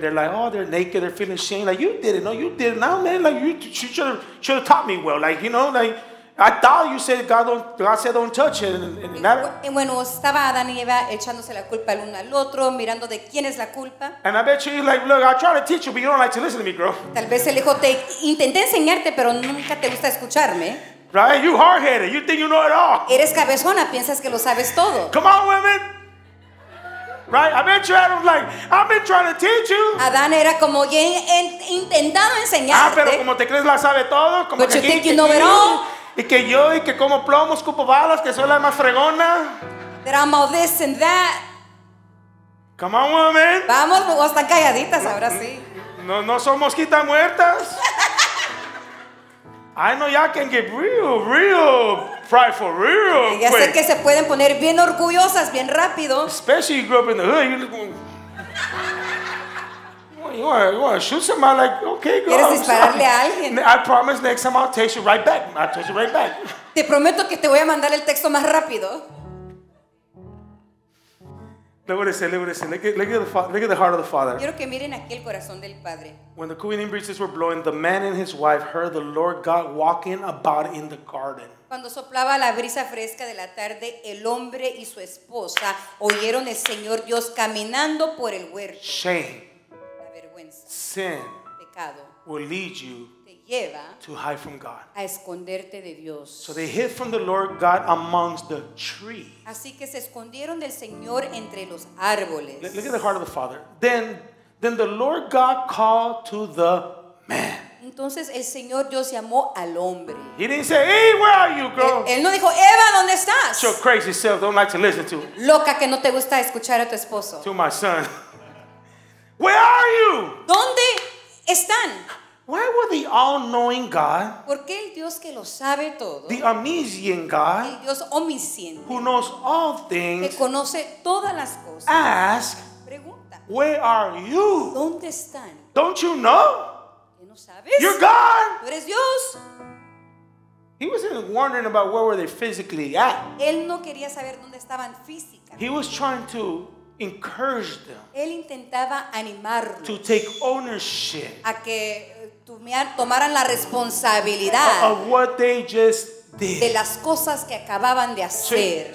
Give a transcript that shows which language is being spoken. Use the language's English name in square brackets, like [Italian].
[English] They're like, oh, they're naked. They're feeling shame. Like, you did it. No, you did it. Now, man, like, you should have taught me well. Like, you know, like, I thought you said God said don't touch it. And [Spanish] bueno, estaba Adán y Eva echándose la culpa el uno al otro, mirando de quién es la culpa. [English] And I bet you like, look, I try to teach you, but you don't like to listen to me, girl. [Spanish] Tal vez el hijo te intenté enseñarte, pero nunca te gusta escucharme. [English] Right? You hard-headed. You think you know it all. [Spanish] Eres cabezona. Piensas que lo sabes todo. [English] Come on, women. Right? I bet you Adam like, I've been trying to teach you. [Spanish] Adán era como intentando enseñarte. Ah, pero como te crees la sabe todo, como [English] but [Spanish] que [English] you think you know it all. [Spanish] Y que yo y que como plomo escupo balas que soy la más fregona. [English] That I'm all this and that. Come on, woman. [Spanish] Vamos, vos están calladitas ahora sí. No son mosquitas muertas. [English] I know y'all can get real prideful real quick. [Spanish] Ya sé que se pueden poner bien orgullosas bien rápido. [English] Especially you grew up in the hood. You want to shoot somebody? Like, okay, go. [Spanish] ¿Quieres dispararle a alguien? [English] I promise next time I'll text you right back. I'll text you right back. [Spanish] Te prometo que te voy a mandar el texto más rápido. [English] Look what it said. Look at the heart of the father. [Spanish] Quiero que miren aquí el corazón del padre. [English] When the cooling breezes were blowing, the man and his wife heard the Lord God walking about in the garden. [Spanish] Cuando soplaba la brisa fresca de la tarde, el hombre y su esposa oyeron el Señor Dios caminando por el huerto. [English] Shame. [Spanish] Sin pecado [English] will lead you [Spanish] te lleva [English] to hide from God. [Spanish] A esconderte de Dios. [English] So they hid from the Lord God amongst the trees. [Spanish] Así que se escondieron del Señor entre los árboles. [English] Look at the heart of the Father. Then the Lord God called to the man. [Spanish] Entonces el Señor Dios llamó al hombre. [English] He didn't say, hey, where are you, girl? [Spanish] Él no dijo, Eva, ¿dónde estás? [English] Your crazy self don't like to listen to. [Spanish] Loca que no te gusta escuchar a tu esposo. [English] To my son. Where are you? [Spanish] ¿Dónde están? [English] Why would the all-knowing God? [Spanish] ¿Por qué el Dios que lo sabe todo? [English] The omniscient God. [Spanish] El Dios omnisciente. [English] Who knows all things? [Spanish] Que conoce todas las cosas. [English] Ask. [Spanish] Pregunta. [English] Where are you? [Spanish] ¿Dónde están? [English] Don't you know? [Spanish] ¿Qué no sabes? [English] You're God. [Spanish] ¿Tú eres Dios? [English] He wasn't wondering about where were they physically at. [Spanish] Él no quería saber dónde estaban físicamente. [English] He was trying to encouraged them. [Spanish] Él intentaba animarlos. [English] To take ownership. [Spanish] A que tomaran la responsabilidad. [English] Of what they just did. [Spanish] De las cosas que acababan de hacer.